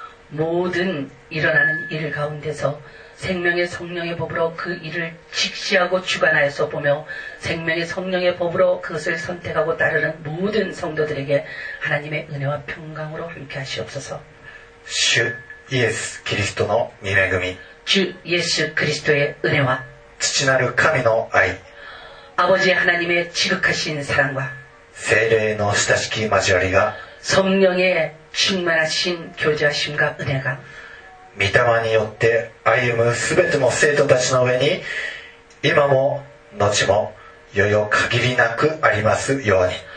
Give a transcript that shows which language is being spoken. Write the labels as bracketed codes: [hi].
[ko] 모든일어나는일가운데서생명의성령의법으로그일을직시하고주관하여서보며생명의성령의법으로그것을선택하고따르는모든성도들에게하나님의은혜와평강으로함께하시옵소서。 [ja] 주イエス・キリストの御恵み、 [ko] 주イエス・キリストの은혜와 [ja] 父なる神の愛、 [ko] 아버지하나님의지극하신사랑과 [ja] 聖霊の親しき交わりが [ko] 성령의충만하신교제하심과은혜가 [ja] 御霊によって歩むすべての生徒たちの上に今も後も余裕限りなくありますように。